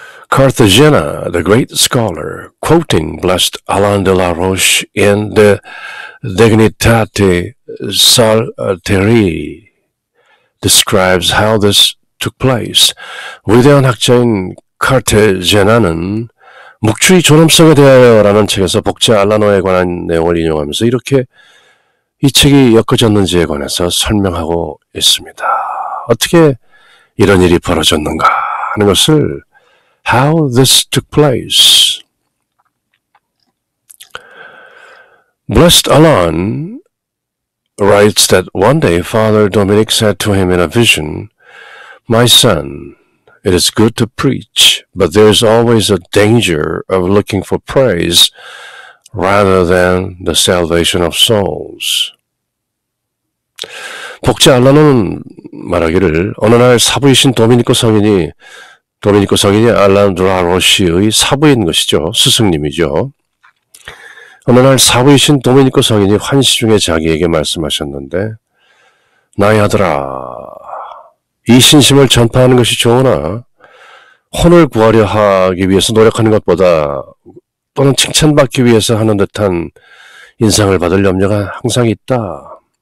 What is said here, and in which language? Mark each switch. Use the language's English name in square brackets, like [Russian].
[English] Cartagena, the great scholar, quoting blessed Alain de la Roche in De Dignitate Salteri, describes how this took place. [Korean] 위대한 학자인 카르타제나는 묵주의 존엄성에 대하여라는 책에서 복자 알라노에 관한 내용을 인용하면서 이렇게 이 책이 엮어졌는지에 관해서 설명하고 있습니다. 어떻게 이런 일이 벌어졌는가 하는 것을 [English] How this took place. Blessed Alain writes that one day Father Dominic said to him in a vision, My son, it is good to preach, but there is always a danger of looking for praise rather than the salvation of souls. [Korean] 복자 알라노는 말하기를 어느 날 사부이신 도미니코 성인이 알란 드라 로시의 사부인 것이죠. 스승님이죠. 어느 날 사부이신 도미니코 성인이 환시 중에 자기에게 말씀하셨는데 나의 아들아, 이 신심을 전파하는 것이 좋으나 혼을 구하려 하기 위해서 노력하는 것보다 또는 칭찬받기 위해서 하는 듯한 인상을 받을 염려가 항상 있다.